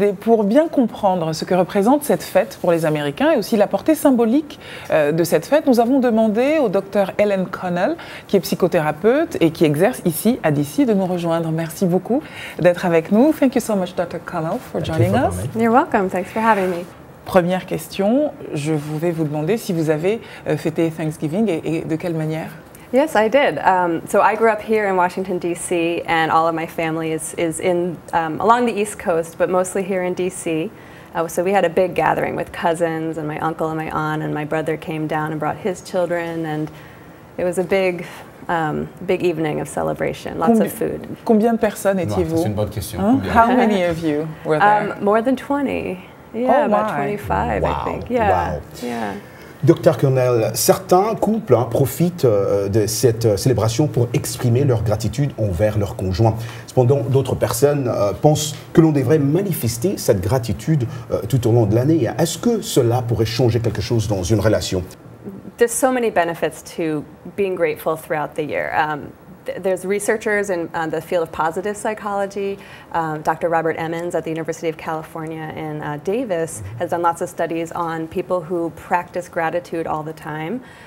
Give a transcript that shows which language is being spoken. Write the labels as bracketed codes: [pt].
[fr] Et pour bien comprendre ce que représente cette fête pour les Américains et aussi la portée symbolique de cette fête, nous avons demandé au docteur Helen Connell, qui est psychothérapeute et qui exerce ici à DC, de nous rejoindre. Merci beaucoup d'être avec nous. Thank you so much, Dr. Connell, for joining us. [en] You're welcome. Thanks for having me. [fr] Première question, je vais vous demander si vous avez fêté Thanksgiving et de quelle manière. [en] Yes, I did. So I grew up here in Washington, D.C., and all of my family is in along the East Coast, but mostly here in D.C. So we had a big gathering with cousins and my uncle and my aunt, and my brother came down and brought his children, and it was a big, big evening of celebration. Lots of food. [fr] Combien de personnes étiez-vous? C'est une bonne question. Hein? [en] How many of you were there? More than 20. Yeah, oh, about 25, wow. I think. Yeah. Wow. Yeah. [fr] Docteur Connell, certains couples profitent de cette célébration pour exprimer leur gratitude envers leur conjoint. Cependant, d'autres personnes pensent que l'on devrait manifester cette gratitude tout au long de l'année. Est-ce que cela pourrait changer quelque chose dans une relation? [en] there's so many benefits to being grateful throughout the year. There's researchers in the field of positive psychology. Dr. Robert Emmons at the University of California in Davis has done lots of studies on people who practice gratitude all the time.